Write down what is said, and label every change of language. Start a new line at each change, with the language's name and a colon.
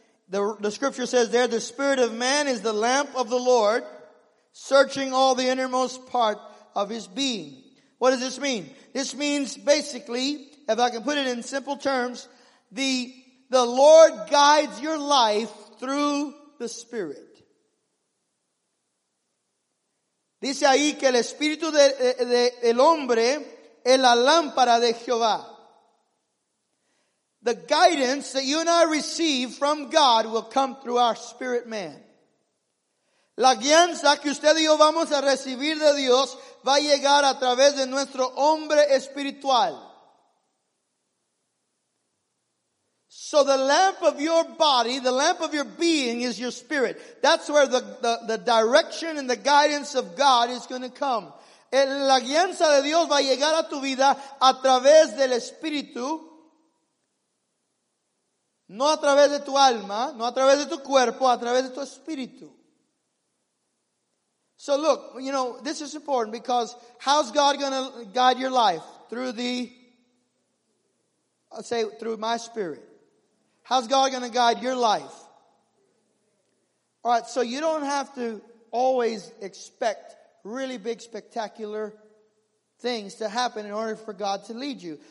English: The scripture says there, the spirit of man is the lamp of the Lord, searching all the innermost part of his being. What does this mean? This means basically, if I can put it in simple terms, the Lord guides your life through the Spirit.
Spanish: Dice ahí que el espíritu del hombre es la lámpara de Jehová.
English: The guidance that you and I receive from God will come through our spirit man.
Spanish: La guianza que usted y yo vamos a recibir de Dios va a llegar a través de nuestro hombre espiritual.
English: So the lamp of your body, the lamp of your being is your spirit. That's where the direction and the guidance of God is going to come.
Spanish: La guianza de Dios va a llegar a tu vida a través del espíritu. No a través de tu alma, no a través de tu cuerpo, a través de tu espíritu.
English: So look, you know, this is important because how's God going to guide your life? Through my spirit. How's God going to guide your life? All right, so you don't have to always expect really big, spectacular things to happen in order for God to lead you.